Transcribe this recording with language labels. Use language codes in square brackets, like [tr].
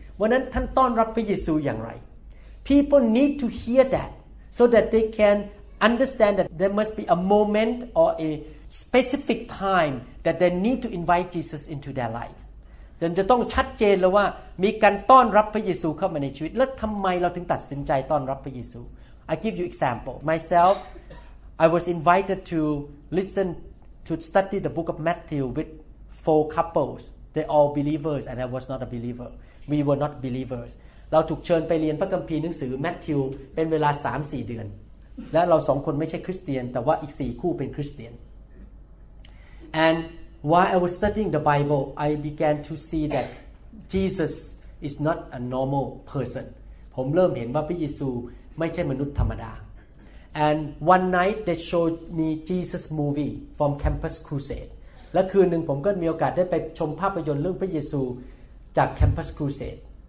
[th] วันนั้นท่านต้อนรับพระเยซูอย่างไร [en] People need to hear that so that they canUnderstand that there must be a moment or a specific time that they need to invite Jesus into their life. [th] Then จะต้องชัดเจนแล้วว่ามีการต้อนรับพระเยซูเข้ามาในชีวิตแล้วทำไมเราถึงตัดสินใจต้อนรับพระเยซู [en] I give you example. Myself, I was invited to listen to study the book of Matthew with four couples. They all believers and I was not a believer. We were not believers. [th] เราถูกเชิญไปเรียนพระคัมภีร์หนังสือ Matthew เป็นเวลา 3-4 เดือนและเราสองคนไม่ใช่คริสเตียนแต่ว่าอีกสี่คู่เป็นคริสเตียน [en] and while I was studying the Bible I began to see that Jesus is not a normal person [th] ผมเริ่มเห็นว่าพระเยซูไม่ใช่มนุษย์ธรรมดา [en] and one night they showed me Jesus movie from Campus Crusade [th] และคืนหนึ่งผมก็มีโอกาสได้ไปชมภาพยนตร์เรื่องพระเยซูจาก Campus Crusade